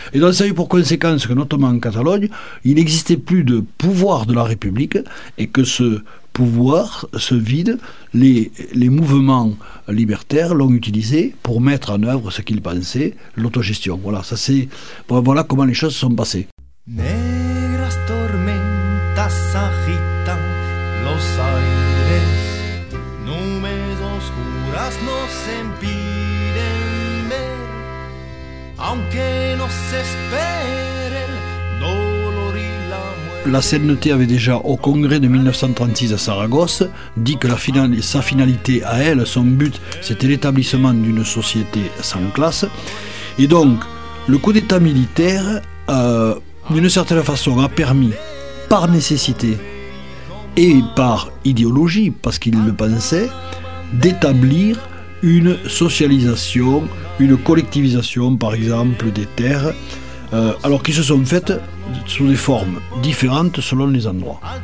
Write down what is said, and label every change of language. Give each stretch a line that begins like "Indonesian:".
French: Et donc ça a eu pour conséquence que, notamment en Catalogne, il n'existait plus de pouvoir de la République et que ce pouvoir se vide. Les mouvements libertaires l'ont utilisé pour mettre en œuvre ce qu'ils pensaient, l'autogestion. Voilà, ça c'est, bon, voilà comment les choses se sont passées.
Spanish: Negras tormentas agitan los aires, nubes oscuras nos impiden ver, aunque nos espere el dolor y la muerte.
French: La CNT avait déjà, au congrès de 1936 à Saragosse, dit que sa finalité à elle, son but, c'était l'établissement d'une société sans classe. Et donc, le coup d'état militaire, d'une certaine façon, a permis, par nécessité et par idéologie, parce qu'il le pensait, d'établir une socialisation, une collectivisation, par exemple, des terres, alors qu'ils se sont faites sous des formes différentes selon les endroits.